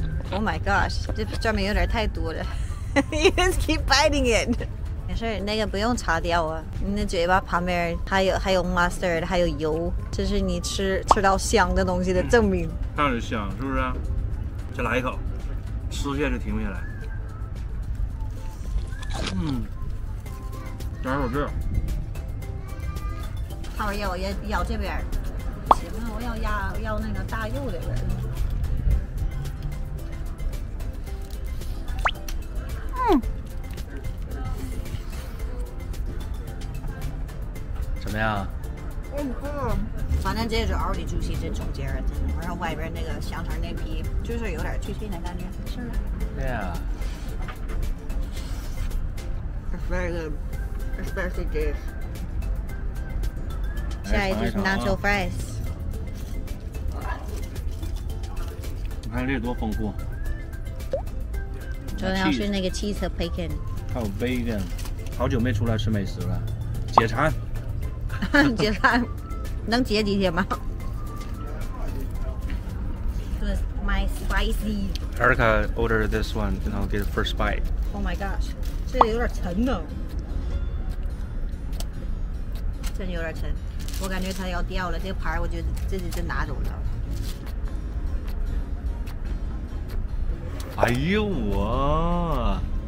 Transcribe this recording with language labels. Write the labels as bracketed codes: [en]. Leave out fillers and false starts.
[en] Oh my gosh， [zh] 这 pastrami 有点太多了。 [en] You just keep biting it。 [zh] 没事，那个不用擦掉啊。你的嘴巴旁边还有 mustard， 还有油，这是你吃到香的东西的证明。看着香是不是？再来一口。吃下就停不下来，嗯，咬手指。浩儿要也咬这边，行啊，我要那个大肉的边。嗯，怎么样？反正这肘的 juicy 在中间，然后外边那个香肠那皮就是有点脆脆的感觉，是吧？对呀。 [en] It's very good, especially this. [zh] 下一就是 nacho fries。你看这多丰富。重要是那个 cheese 和 bacon。还有 bacon， 好久没出来吃美食了，解馋。解馋。能解几天吗？这是 [en] my spicy。 Erica ordered this one, and I'll get the first bite. Oh my gosh， [zh] 这有点沉呢，真有点沉，我感觉它要掉了。这个盘我就自己就拿走了。哎呦我！